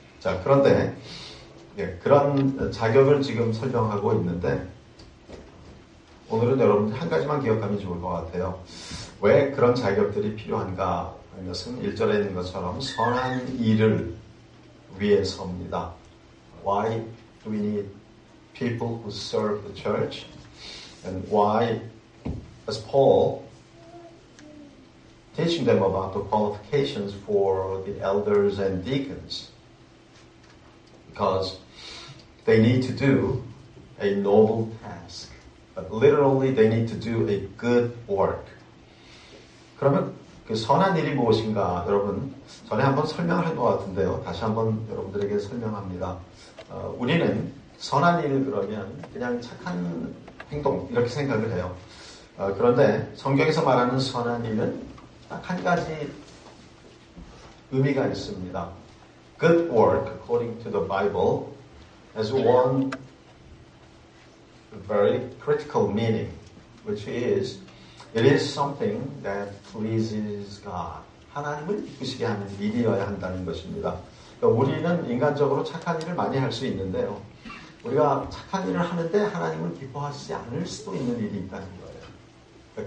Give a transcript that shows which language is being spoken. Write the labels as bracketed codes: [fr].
[ko] 자, 그런데 예, 그런 자격을 지금 설명하고 있는데 오늘은 여러분들 한 가지만 기억하면 좋을 것 같아요. 왜 그런 자격들이 필요한가 하는 것은 1절에 있는 것처럼 선한 일을 위해서입니다. [en] Why do we need people who serve the church? And why, as Paul, teaching them about the qualifications for the elders and deacons? Because they need to do a noble task. But literally, they need to do a good work. [ko] 그러면 그 선한 일이 무엇인가, 여러분? 전에 한번 설명을 한 것 같은데요. 다시 한번 여러분들에게 설명합니다. 우리는 선한 일 그러면 그냥 착한 행동 이렇게 생각을 해요. 그런데 성경에서 말하는 선한 일은 딱 한 가지 의미가 있습니다. [en] Good work according to the Bible has one very critical meaning, which is it is something that pleases God. [ko] 하나님을 기쁘시게 하는 일이어야 한다는 것입니다. 우리는 인간적으로 착한 일을 많이 할 수 있는데요. 우리가 착한 일을 하는데 하나님을 기뻐하시지 않을 수도 있는 일이 있다는 거예요.